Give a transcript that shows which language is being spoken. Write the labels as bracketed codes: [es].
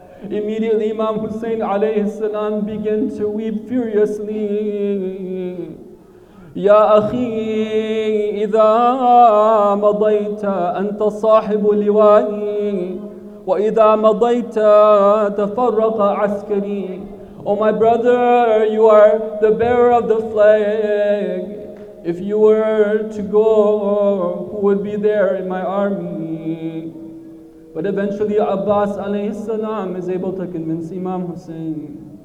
[en] Immediately Imam Hussein alayhi salam began to weep furiously. [ar] يَا أَخِي إِذَا مَضَيْتَ أَنْتَ صَاحِبُ لِوَائِي وَإِذَا مَضَيْتَ تَفَرَّقَ عَسْكَرِي. [en] Oh my brother, you are the bearer of the flag. If you were to go, who would be there in my army? But eventually Abbas alayhi salam is able to convince Imam Hussein.